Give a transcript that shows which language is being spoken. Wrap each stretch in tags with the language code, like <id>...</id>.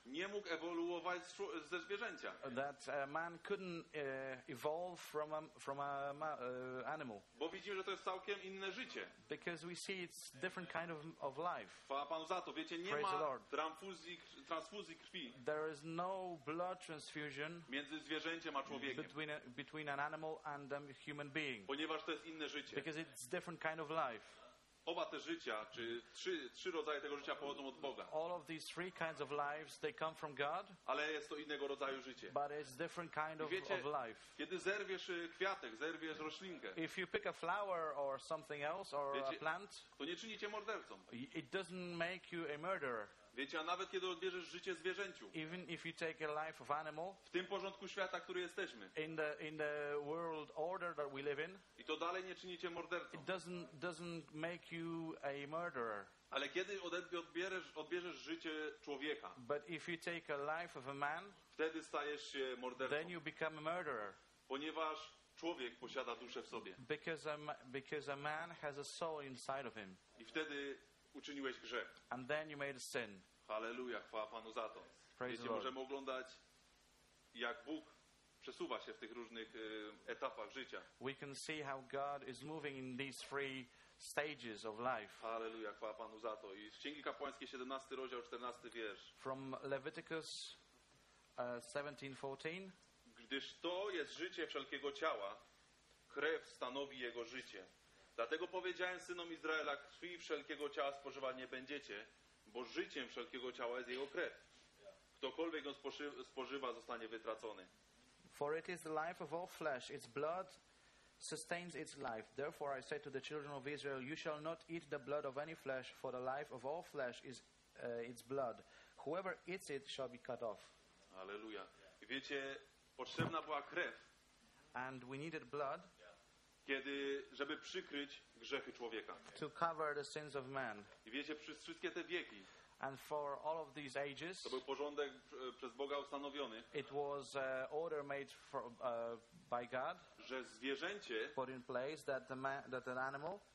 <pl>nie mógł ewoluować ze zwierzęcia.</pl> <en>That a man couldn't evolve from a animal.</en> <pl>Bo widzimy, że to jest całkiem inne życie.</pl> <en>Because we see it's different kind of life.</en> <pl>Chwała Panu za to. Wiecie, nie praise ma transfuzji krwi.</pl> <en>There is no blood transfusion</en> <pl>między zwierzęciem a człowiekiem.</pl> <en>Between an animal and a human being.</en> <pl>Ponieważ to jest inne życie.</pl> <en>Because it's different kind of life.</en> <pl>Oba te życia, czy trzy rodzaje tego życia pochodzą od Boga.</pl> <en>All of these three kinds of lives, they come from God.</en> <pl>Ale jest to innego rodzaju życie.</pl> <en>But it's different kind of,</en> <pl>wiecie,</pl> <en>of life.</en> <pl>Kiedy zerwiesz kwiatek, zerwiesz roślinkę.</pl> <en>If you pick a flower or something else or</en> <pl>wiecie,</pl> <en>a plant,</en> <pl>to nie czyni cię mordercą.</pl> <en>It doesn't make you a murderer.</en> <pl>Wiecie, a nawet kiedy odbierzesz życie zwierzęciu.</pl> <en>Even if you take a life of animal,</en> <pl>w tym porządku świata, który jesteśmy.</pl> <en>In the world order that we live in.</en> <pl>I to dalej nie czyni cię mordercą.</pl> <en>It doesn't make you a murderer.</en> <pl>Ale kiedy odbierzesz życie człowieka.</pl> <en>But if you take a life of a man,</en> <pl>wtedy stajesz się mordercą.</pl> <en>Then you become a murderer.</en> <pl>Ponieważ człowiek posiada duszę w sobie.</pl> <en>Because a man has a soul inside of him.</en> <pl>I wtedy uczyniłeś grzech.</pl> <en>And then you made a sin.</en> <pl>Halleluja, chwała Panu za to.</pl> <en>Praise</en> <pl>wiecie, możemy oglądać, jak Bóg przesuwa się w tych różnych etapach życia.</pl> <en>We can see how God is moving in these three stages of life.</en> <pl>Halleluja, chwała Panu za to. I z Księgi Kapłańskiej 17 rozdział 14 wiersz.</pl> <en>From Leviticus 17:14.</en> <pl>Gdyż to jest życie wszelkiego ciała, krew stanowi jego życie. Dlatego powiedziałem synom Izraela, krwi wszelkiego ciała spożywać nie będziecie, bo życiem wszelkiego ciała jest jego krew. Ktokolwiek ją spożywa, zostanie wytracony.</pl> <en>For it is the life of all flesh, its blood sustains its life. Therefore I say to the children of Israel, you shall not eat the blood of any flesh, for the life of all flesh is its blood. Whoever eats it shall be cut off.</en> <pl>Alleluja. Wiecie, potrzebna była krew.</pl> <en>And we needed blood.</en> <pl>Kiedy, żeby przykryć grzechy człowieka.</pl> <en>To cover the sins of man.</en> <pl>I wiecie, przez wszystkie te wieki.</pl> <en>And for all of these ages.</en> <pl>To był porządek przez Boga ustanowiony.</pl> <en>It was an order made by God.</en> <pl>Że zwierzęcie.</pl> <en>Put in place that an animal.</en>